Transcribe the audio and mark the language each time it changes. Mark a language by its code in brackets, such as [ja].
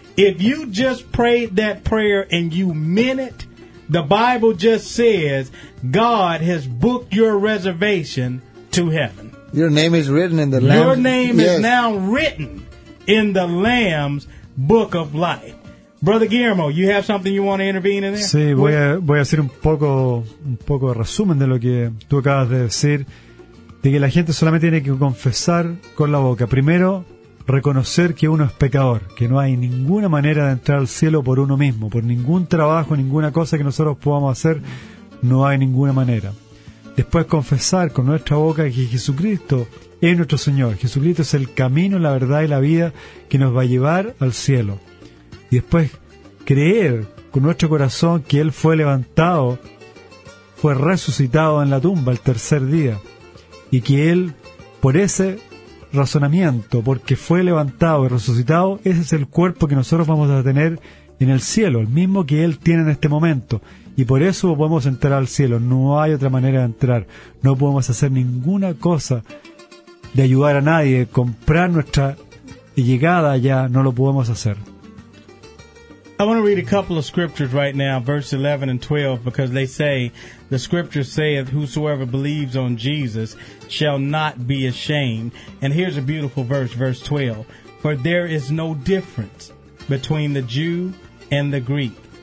[en] If you just prayed that prayer and you meant it, the Bible just says God has booked your reservation to heaven. Your name is written in the Lamb's. Your name is now written in the Lamb's book of life. Brother Guillermo, you have something you want to intervene in there? [es] Sí, voy a hacer un poco resumen de lo que tú acabas de decir, de que la gente solamente tiene que confesar con la boca. Primero, reconocer que uno es pecador, que no hay ninguna manera de entrar al cielo por uno mismo, por ningún trabajo, ninguna cosa que nosotros podamos hacer, no hay ninguna manera. Después, confesar con nuestra boca que Jesucristo es nuestro Señor. Jesucristo es el camino, la verdad y la vida que nos va a llevar al cielo. Y después, creer con nuestro corazón que Él fue levantado, fue resucitado en la tumba el tercer día. Y que Él, por ese razonamiento, porque fue levantado y resucitado, ese es el cuerpo que nosotros vamos a tener en el cielo, el mismo que Él tiene en este momento. Y por eso podemos entrar al cielo, no hay otra manera de entrar. No podemos hacer ninguna cosa de ayudar a nadie, de comprar nuestra llegada allá, no lo podemos hacer. [en] I want to read a couple of scriptures right now, verse 11 and 12, because they say, the scripture saith, whosoever believes on Jesus shall not be ashamed. And here's a beautiful verse, verse 12. For there is no difference between the Jew and the Greek.